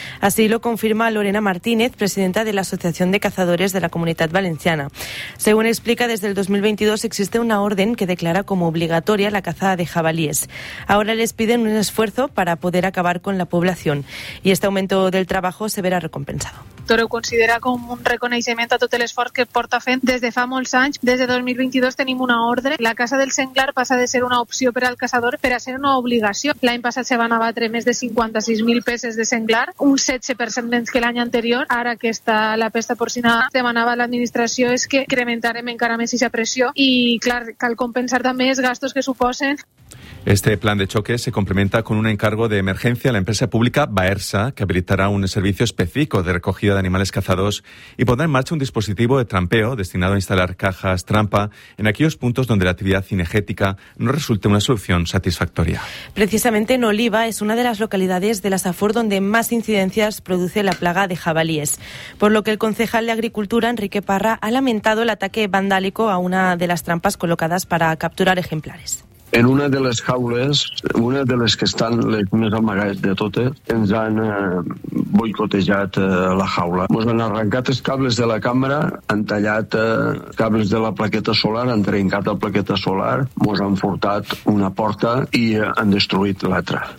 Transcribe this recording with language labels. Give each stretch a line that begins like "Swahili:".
Spanish: Así lo confirma Lorena Martínez, presidenta de la Asociación de Cazadores de la Comunidad Valenciana. Según explica, desde el 2022 existe una orden que declara como obligatoria la caza de jabalíes. Ahora les piden un esfuerzo para poder acabar con la población, y este aumento del trabajo se verá recompensado.
Catalan: Toro considera com un reconeixement a tot l'esforç que porta fent des de fa molts anys. Des de 2022 tenim una ordre. La caça del senglar passa de ser una opció per al caçador per a ser una obligació. L'any passat se van abatre més de 56.000 peces de senglar, un 16% menys que l'any anterior. Ara que està la pesta porcina, demanava l'administració és que incrementarem encara més aquesta pressió i, clar, cal compensar també els gastos que suposen.
Spanish: Este plan de choque se complementa con un encargo de emergencia a la empresa pública Baersa, que habilitará un servicio específico de recogida de animales cazados y pondrá en marcha un dispositivo de trampeo destinado a instalar cajas trampa en aquellos puntos donde la actividad cinegética no resulte una solución satisfactoria. Precisamente en Oliva es una de las localidades de la Safor donde más incidencias produce la plaga de jabalíes, por lo que el concejal de Agricultura, Enrique Parra, ha lamentado el ataque vandálico a una de las trampas colocadas para capturar ejemplares.
Catalan: En una de les jaules, una de les que estan les més amagades de totes, ens han boicotejat la jaula. Ens han arrencat els cables de la càmera, han tallat cables de la plaqueta solar, han trencat la plaqueta solar, ens han furtat una porta i han destruït l'altra.